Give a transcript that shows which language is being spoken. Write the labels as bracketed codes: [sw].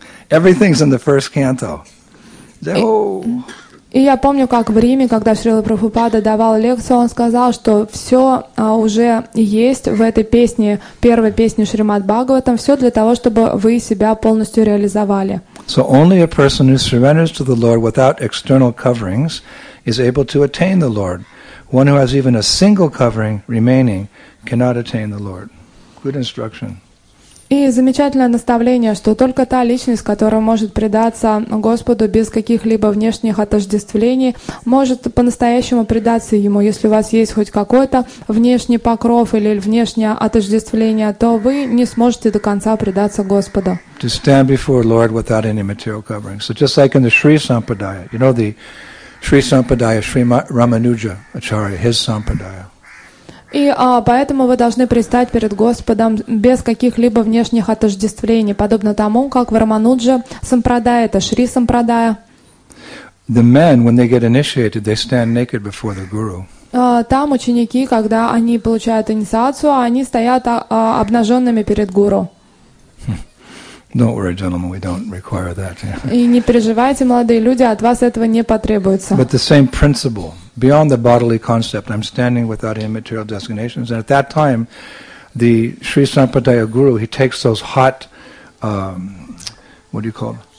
[en] Everything's in the first canto. [ru] И я помню, как в Риме, когда Шрила Прабхупада давал лекцию, он сказал, что все уже есть в этой песне, первой песне Шримад Бхагаватам, все для того, чтобы вы себя полностью реализовали. [en] So only a person who surrenders to the Lord without external coverings is able to attain the Lord. One who has even a single covering remaining cannot attain the Lord. Good instruction. [ru] И замечательное наставление, что только та личность, которая может предаться Господу без каких-либо внешних отождествлений, может по-настоящему предаться Ему. Если у вас есть хоть какой-то внешний покров или внешнее отождествление, то вы не сможете до конца предаться Господу. [en] To stand before Lord without any material covering. So just like in the Sri Sampradaya, you know the Sri Sampradaya, Sri Ramanuja Acharya, his Sampradaya. [ru] И поэтому вы должны предстать перед Господом без каких-либо внешних отождествлений, подобно тому, как в Рамануджа Сампрадая, это Шри Сампрадая. [en] The men, when they get initiated, they stand naked before the guru. [ru] Там ученики, когда они получают инициацию, они стоят обнаженными перед гуру. [en] Don't worry, gentlemen, we don't require that. [ru] И не переживайте, молодые люди, от вас этого не потребуется. [en] But the same principle. Beyond the bodily concept, I'm standing without any material designations. And at that time, the Sri Sampradaya Guru, he takes those hot, what do you call them?